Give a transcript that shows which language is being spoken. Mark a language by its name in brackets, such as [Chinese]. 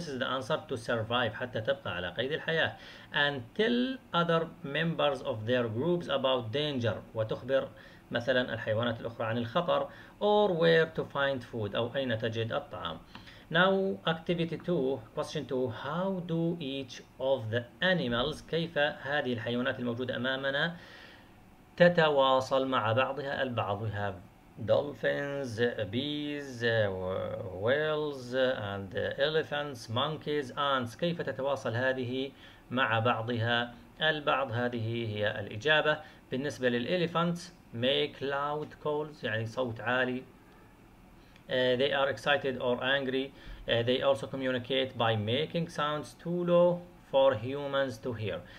[English] This is the answer to survive [Arabic] حتى تبقى على قيد الحياة. [English] And tell other members of their groups about danger [Arabic] وتخبر مثلا الحيوانات الأخرى عن الخطر. [English] Or where to find food [Arabic] أو أين تجد الطعام. [English] Now activity 2 question 2 How do each of the animals [Arabic] كيف هذه الحيوانات الموجودة أمامنا تتواصل مع بعضها البعض. [English] We have dolphins, bees, whales and elephants, monkeys, ants. [Arabic] كيف تتواصل هذه مع بعضها البعض. هذه هي الإجابة. بالنسبة للإليفانتس [English] make loud calls [Arabic] يعني صوت عالي. [English] They are excited or angry. They also communicate by making sounds too low for humans to hear.